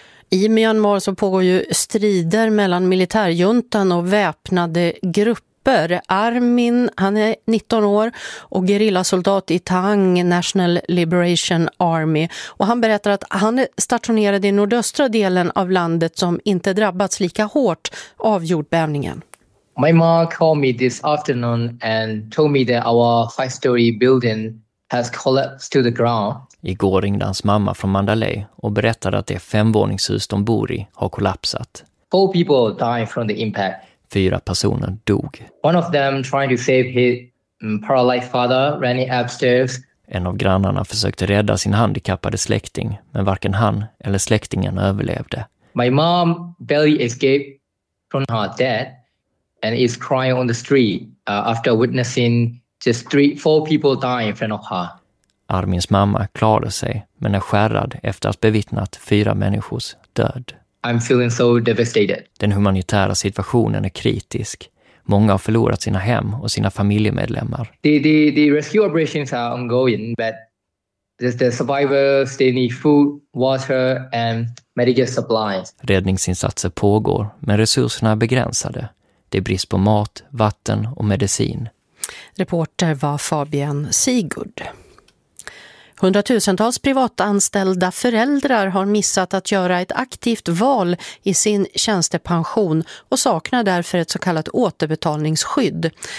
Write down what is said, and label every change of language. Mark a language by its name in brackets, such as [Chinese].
[Swedish] I Myanmar så pågår ju strider mellan militärjuntan och väpnade grupper. Armin, han är 19 år och gerillasoldat i Tang National Liberation Army. Och han berättar att han är stationerad i nordöstra delen av landet som inte drabbats lika hårt av jordbävningen. [English] My mom called me this afternoon and told me that our five-story building has collapsed to the ground. [Swedish] Igår ringde hans mamma från Mandalay och berättade att det femvåningshus de bor i har kollapsat. [English] Four people died from the impact. [Swedish] Fyra personer dog. [English] One of them trying to save his paralyzed father ran upstairs. [Swedish] En av grannarna försökte rädda sin handikappade släkting, men varken han eller släktingen överlevde. [English] My mom barely escaped from her dad and is crying on the street after witnessing just three, four people die in front of her. [Swedish] Armins mamma klarade sig, men är skärrad efter att bevittnat fyra människors död. [English] I'm feeling so devastated. [Swedish] Den humanitära situationen är kritisk. Många har förlorat sina hem och sina familjemedlemmar. [English] The rescue operations are ongoing, but the survivors, they need food, water and medical supplies. [Swedish] Räddningsinsatser pågår, men resurserna är begränsade. Det är brist på mat, vatten och medicin. Reporter var Fabian Sigurd. Hundratusentals privatanställda föräldrar har missat att göra ett aktivt val i sin tjänstepension och saknar därför ett så kallat återbetalningsskydd.